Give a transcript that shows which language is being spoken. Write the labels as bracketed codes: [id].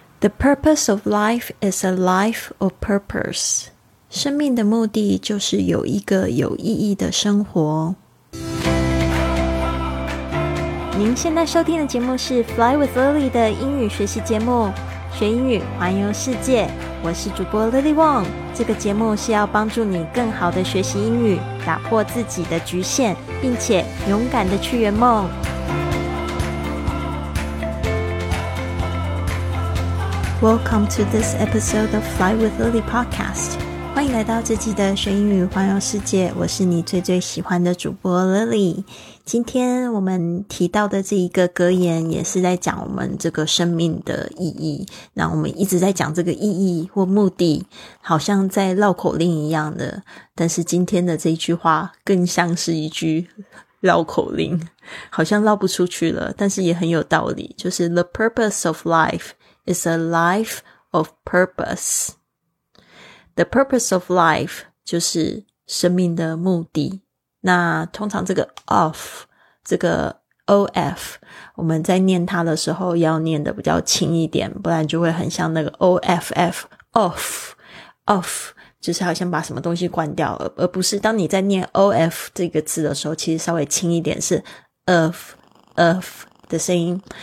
[en] The purpose of life is a life of purpose. [zh] 生命的目的就是有一个有意义的生活。您现在收听的节目是 Fly with Lily 的英语学习节目，学英语，环游世界。我是主播 Lily Wong， 这个节目是要帮助你更好的学习英语，打破自己的局限，并且勇敢的去圆梦。 [en] Welcome to this episode of Fly with Lily podcast. [zh] 欢迎来到这期的学英语环游世界，我是你最最喜欢的主播 Lily。今天我们提到的这一个格言也是在讲我们这个生命的意义，那我们一直在讲这个意义或目的，好像在绕口令一样的，但是今天的这一句话更像是一句绕口令，好像绕不出去了，但是也很有道理，就是 [en] The purpose of lifeIs a life of purpose. The purpose of life [zh] 就是生命的目的。那通常这个 of 这个 of 我们在念它的时候要念的比较轻一点，不然就会很像那个 off off off， 就是好像把什么东西关掉，而不是当你在念 of 这个字的时候，其实稍微轻一点是 of of 的声音。